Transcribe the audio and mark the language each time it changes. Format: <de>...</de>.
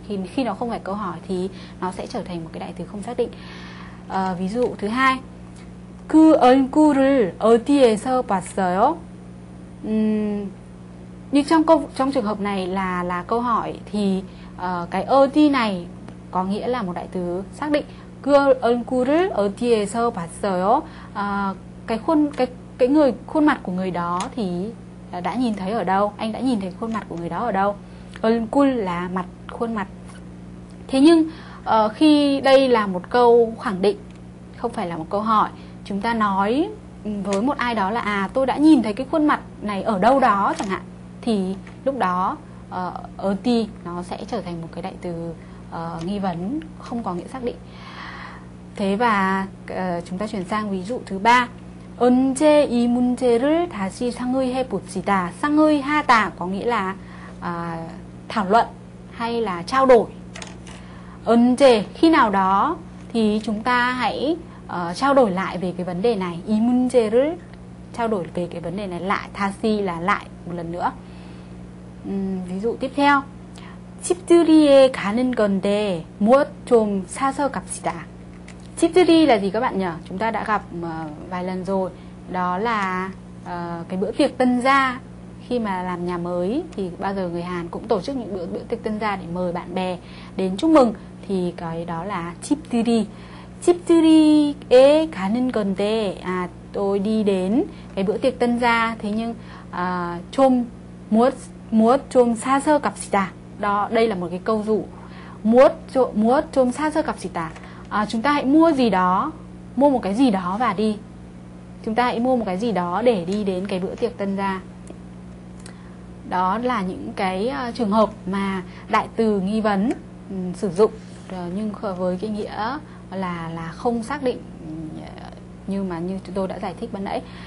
<vi>Khi nó không phải câu hỏi thì nó sẽ trở thành một cái đại từ không xác định. Ví dụ thứ hai,</vi> <ko>그 얼굴을 어디에서 봤어요?</ko> <vi>Như trong trường hợp này là câu hỏi thì cái 어디 này có nghĩa là một đại từ xác định.</vi> <ko>그 얼굴을 어디에서 봤어요?</ko> <vi>Cái người khuôn mặt của người đó thì đã nhìn thấy ở đâu? Anh đã nhìn thấy khuôn mặt của người đó ở đâu? 얼굴 là mặt, khuôn mặt. Thế nhưng khi đây là một câu khẳng định, không phải là một câu hỏi, chúng ta nói với một ai đó là à, tôi đã nhìn thấy cái khuôn mặt này ở đâu đó chẳng hạn, thì lúc đó 어디 nó sẽ trở thành một cái đại từ nghi vấn không có nghĩa xác định. Thế và chúng ta chuyển sang ví dụ thứ ba.</vi> <ko>언제 이 문제를 다시 상의해 봅시다.</ko> <vi>상의하다 có nghĩa là thảo luận hay là trao đổi. 언제, khi nào đó thì chúng ta hãy trao đổi lại về cái vấn đề này.</vi> <ko>이 문제를,</ko> <vi>trao đổi về cái vấn đề này lại. 다시 là lại một lần nữa. Ví dụ tiếp theo.</vi> <ko>집들이에 가는 건데 무엇 좀 사서 갑시다.</ko> <vi>집들이 là gì các bạn nhỉ? Chúng ta đã gặp vài lần rồi. Đó là cái bữa tiệc tân gia. Khi mà làm nhà mới thì bao giờ người Hàn cũng tổ chức những bữa tiệc tân gia để mời bạn bè đến chúc mừng. Thì cái đó là 집들이.</vi> <ko>집들이에 가는 건데,</ko> <vi>à, tôi đi đến cái bữa tiệc tân gia. Thế nhưng</vi> <ko>좀 무엇 좀 사서 갑시다.</ko> <vi>Đó, đây là một cái câu dụ.</vi> <ko>무엇 좀 사서 갑시다.</ko> <vi>À, chúng ta hãy mua gì đó, mua một cái gì đó và đi. Chúng ta hãy mua một cái gì đó để đi đến cái bữa tiệc tân gia. Đó là những cái trường hợp mà đại từ nghi vấn sử dụng nhưng với cái nghĩa là không xác định, nhưng mà như tôi đã giải thích ban nãy.</vi>